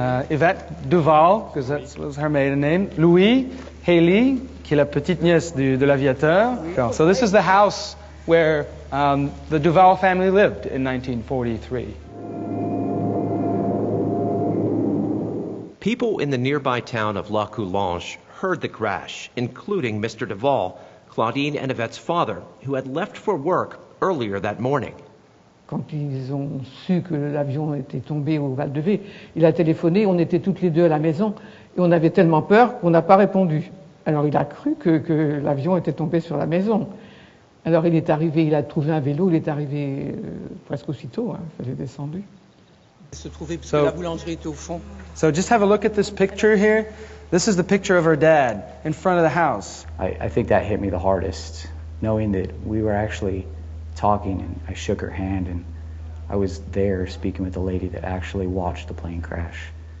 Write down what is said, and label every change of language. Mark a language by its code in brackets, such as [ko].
[en] Yvette Duval, because that was her maiden name. [fr] Louis, Haley, qui est la petite nièce de l'aviateur. [en] Sure. So this is the house where the Duval family lived in 1943. People in the nearby town of La Coulange heard the crash, including Mr. Duval, Claudine and Yvette's father, who had left for work earlier that morning. [fr] Quand ils ont su que l'avion était tombé au Val de Vé, il a téléphoné, on était toutes les deux à la maison, et on avait tellement peur qu'on n'a pas répondu. Alors il a cru que l'avion était tombé sur la maison. Alors il est arrivé, il a trouvé un vélo, il est arrivé presque aussitôt, hein, il est descendu. Il se trouvait parce que la boulangerie était au fond. [en] So just have a look at this picture here. This is the picture of her dad in front of the house. I think that hit me the hardest, knowing that we were actually talking, and I shook her hand, and I was there speaking with the lady that actually watched the plane crash.